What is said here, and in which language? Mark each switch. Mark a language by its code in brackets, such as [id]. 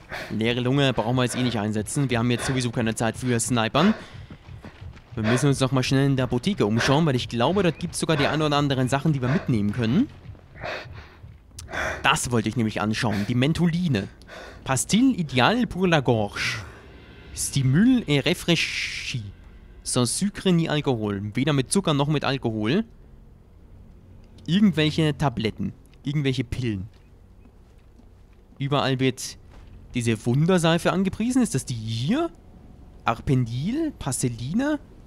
[de] Leere Lunge brauchen wir jetzt eh nicht einsetzen. Wir haben jetzt sowieso keine Zeit für Snipern. Wir müssen uns noch mal schnell in der Apotheke umschauen, weil ich glaube, dort gibt es sogar die ein oder anderen Sachen, die wir mitnehmen können. Das wollte ich nämlich anschauen. Die Mentholine. [fr] Pastille ideal pour la gorge. Stimule et rafraîchit. Sans sucre ni alcohol. [de] Weder mit Zucker noch mit Alkohol. Irgendwelche Tabletten. Irgendwelche Pillen. Überall wird diese Wunderseife angepriesen. Ist das die hier? Arpendil? Passeline?